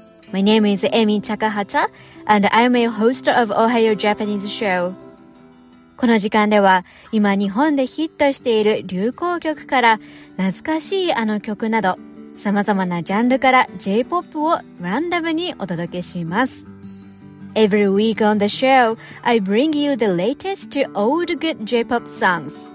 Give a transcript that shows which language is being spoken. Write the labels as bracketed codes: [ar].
[en] My name is Emi Takahata, and I'm a host of Ohio Japanese Show. [ja] この時間では、今日本でヒットしている流行曲から、懐かしいあの曲など、様々なジャンルから J-POP をランダムにお届けします。 [en] Every week on the show, I bring you the latest to old good J-POP songs.